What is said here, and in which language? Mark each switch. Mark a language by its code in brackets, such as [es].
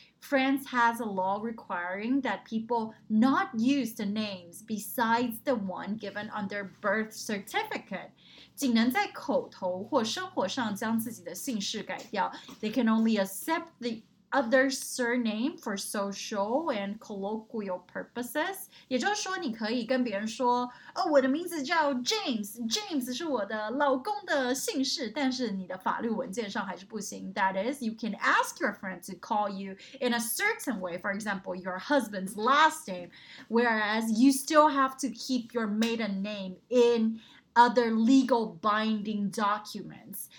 [en] France has a law requiring that people not use the names besides the one given on their birth certificate. [zh] 仅能在口头或生活上将自己的姓氏改掉。 [en] They can only accept the other surname for social and colloquial purposes. [zh] 也就是说你可以跟别人说、oh, 我的名字叫 James, James 是我的老公的姓氏，但是你的法律文件上还是不行。 [en] That is, you can ask your friend to call you in a certain way, for example, your husband's last name, whereas you still have to keep your maiden name in other legal binding documents.